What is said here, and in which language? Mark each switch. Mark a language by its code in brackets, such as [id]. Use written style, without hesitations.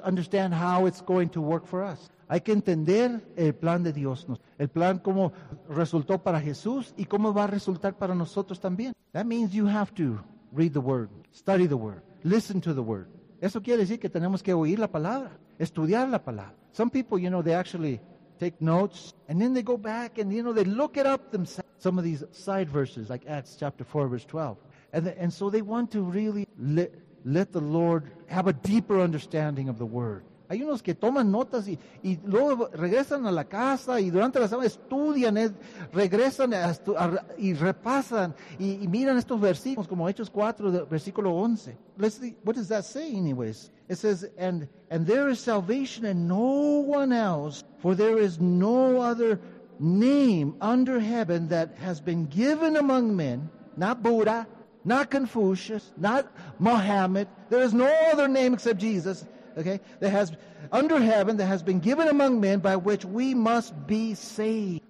[en] Understand how it's going to work for us. [es] Hay que entender el plan de Dios. El plan como resultó para Jesús y cómo va a resultar para nosotros también. [en] That means you have to read the Word, study the Word, listen to the Word. [es] Eso quiere decir que tenemos que oír la palabra, estudiar la palabra. [en] Some people, you know, they actually take notes and then they go back and, you know, they look it up themselves. Some of these side verses like Acts chapter 4 verse 12. And so they want to really let the Lord have a deeper understanding of the Word. [es] Hay unos que toman notas y luego regresan a la casa y durante la semana estudian, regresan y repasan y miran estos versículos como Hechos 4, versículo 11. [en] Let's see, what does that say anyways? It says, and there is salvation in no one else, for there is no other name under heaven that has been given among men, not Buddha, not Confucius, not Muhammad. There is no other name except Jesus. Okay, that has under heaven that has been given among men by which we must be saved,